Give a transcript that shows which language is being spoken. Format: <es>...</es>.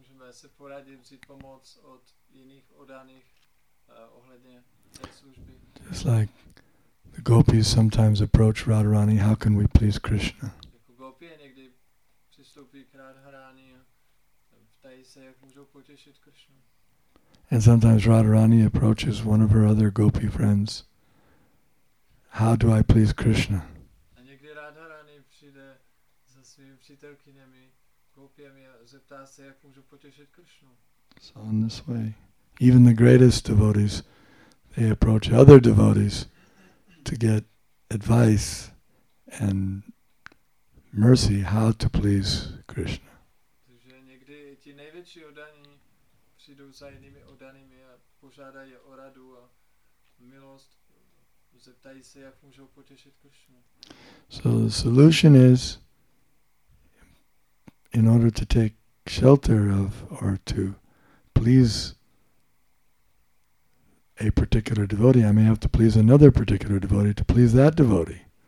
<cs>Se poradit vzít pomoc od jiných odaných ohledně služby.</cs> <en>Just like the gopis sometimes approach Radharani, how can we please Krishna?</en> <cs>Jako gopie někdy přistoupí k Radharani a ptají se, jak můžou potěšit Krishnu.</cs> <en>And sometimes Radharani approaches one of her other gopi friends, how do I please Krishna?</en> <cs>A někdy Radharani přijde za svými přítelkyněmi zeptá se, jak můžu potěšit Krishnu.</cs> <en>So in this way, even the greatest devotees, they approach other devotees to get advice and mercy how to please Krishna.</en> <cs>Takže někdy ti největší odaní přijdou za jinými odanými a požádají o radu a milost, zeptají se, jak můžou potěšit Krishnu.</cs> <en>So the solution is, in order to take shelter of or to please a particular devotee, I may have to please another particular devotee to please that devotee.</en>